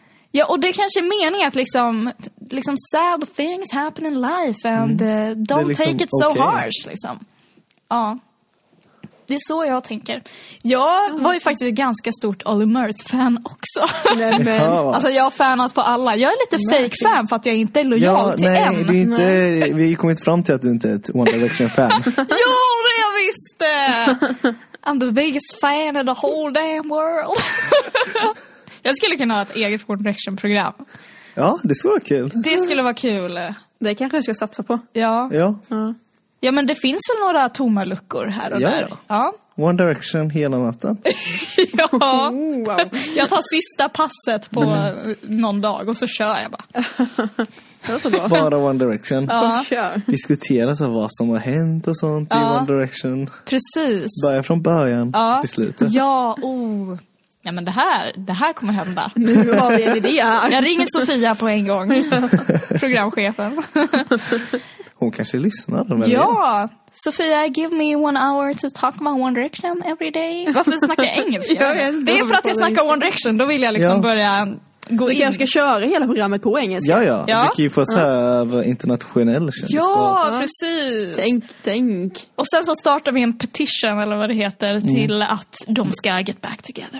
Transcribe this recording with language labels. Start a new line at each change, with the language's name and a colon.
Swedish: Ja, och det kanske är meningen att liksom
English: sad things happen in life and don't
Swedish: liksom
English: take it so okay. harsh
Swedish: liksom. Ja. Det är så jag tänker. Jag var ju faktiskt ett ganska stort Olly Murs fan också. Nej, men. Ja. Alltså jag har fanat på alla. Jag är lite fake fan för att jag inte är lojal till nej, en. Det är inte, vi har ju kommit fram till att du inte är ett One Direction fan. Ja, det jag visste!
English: I'm the biggest fan in the whole damn world.
Swedish: Jag skulle kunna ha ett eget One Direction-program. Ja, det skulle vara kul. Det skulle vara kul. Det kanske jag ska satsa på. Ja. Ja. Ja, men det finns väl några tomma luckor här och ja, där. Ja. Ja. One Direction hela natten. Ja. Jag tar sista passet på någon dag och så kör jag bara. Bara One Direction. Ja. Diskutera så vad som har hänt och sånt i One Direction. Precis. Börja från början till slutet. Ja, oh. Ja, men det här kommer hända. Nu har vi en idé. Jag ringer Sofia på en gång. Programchefen. Hon kanske lyssnar. Ja, vet.
English: Sofia, give me one hour to talk about One Direction every day.
Swedish: Varför snackar jag engelska? Ja, det är för att jag snackar One Direction. Då vill jag liksom börja gå in. Jag ska köra hela programmet på engelska. Ja, ja. Ja. Det kan ju få så här internationell känsla. Ja, precis. Tänk. Och sen så startar vi en petition, eller vad det heter, till att de ska
English: get back together.